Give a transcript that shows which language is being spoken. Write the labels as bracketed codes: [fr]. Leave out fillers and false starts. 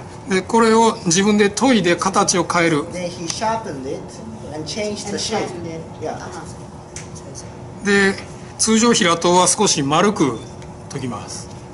[ja] でこれを自分で研いで形を変える。 [en] Then he sharpened it and changed the shape. [ja] で通常平刀は少し丸く研ぎます。